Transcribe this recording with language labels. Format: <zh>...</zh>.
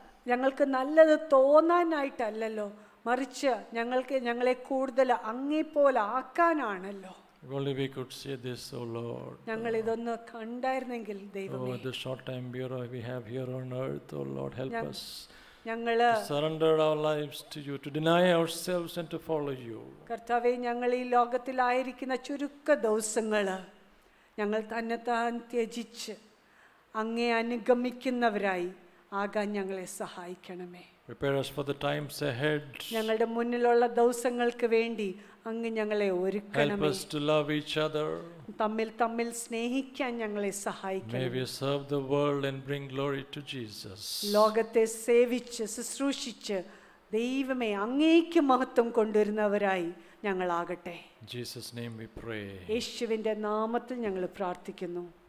<ml>ഞങ്ങൾക്ക് നല്ലത് തോന്നാനായിട്ടല്ലല്ലോ, മറിച്ച് ഞങ്ങൾക്ക് ഞങ്ങളെ കൂടുതൽ അങ്ങേ പോലെ ആക്കാനാണല്ലോ.</ml> <en>Only we could see this, oh Lord.</en> <ml>ഞങ്ങൾ ഇതൊന്ന് കണ്ടായിരുന്നെങ്കിൽ ദൈവമേ.</ml> <en>Oh, the short time bureau we have here on earth, oh Lord, help us.</en> <ml>ഞങ്ങള്</ml> <en>surrender our lives to you, to deny ourselves and to follow you.</en> <ml>കർത്താവേ, ഞങ്ങൾ ഈ ലോകത്തിലായിരിക്കുന്ന ചുരുക്ക ദിവസങ്ങള് ഞങ്ങൾ തന്നെ താൻ ത്യജിച്ച് അങ്ങേ അനുഗമിക്കുന്നവരായി ആകാൻ ഞങ്ങളെ സഹായിക്കണമേ.</ml> <en>Prepare us for the times ahead.</en> <ml>ഞങ്ങളുടെ മുന്നിലുള്ള ദിവസങ്ങൾക്ക് വേണ്ടി അങ്ങ് ഞങ്ങളെ ഒരുക്കണമേ.</ml> <en>Help us to love each other.</en> <ml>തമ്മിൽ തമ്മിൽ സ്നേഹിക്കാൻ ഞങ്ങളെ സഹായിക്കണമേ.</ml> <en>May we serve the world and bring glory to Jesus.</en> <ml>ലോകത്തെ സേവിച്ച് ശുശ്രൂഷിച്ച് ദൈവമേ അങ്ങേക്ക് മഹത്വം കൊണ്ടുവരുന്നവരായി ഞങ്ങൾ ആകട്ടെ.</ml> <en>In Jesus' name we pray.</en> <ml>യേശുവിന്റെ നാമത്തിൽ ഞങ്ങൾ പ്രാർത്ഥിക്കുന്നു.</ml>